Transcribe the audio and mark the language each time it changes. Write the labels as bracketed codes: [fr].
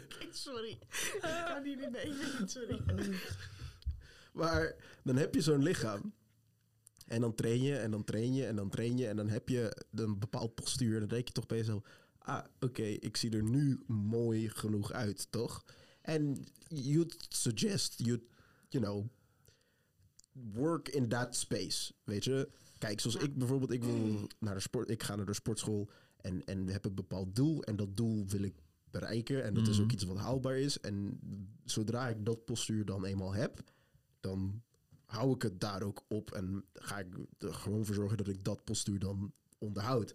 [nl] Sorry. Ik kan hier niet mee. Sorry. Maar dan heb je zo'n lichaam. En dan train je, en dan train je, en dan train je. En dan heb je een bepaald postuur. En dan denk je toch bij jezelf... Ah, oké, ik zie er nu mooi genoeg uit, toch? [en] En you'd suggest, you know, work in that space, [nl] weet je? Kijk, zoals ik bijvoorbeeld, ik wil naar de sport, ik ga naar de sportschool en we hebben een bepaald doel en dat doel wil ik bereiken en dat is ook iets wat haalbaar is. En zodra ik dat postuur dan eenmaal heb, dan hou ik het daar ook op en ga ik er gewoon voor zorgen dat ik dat postuur dan onderhoud.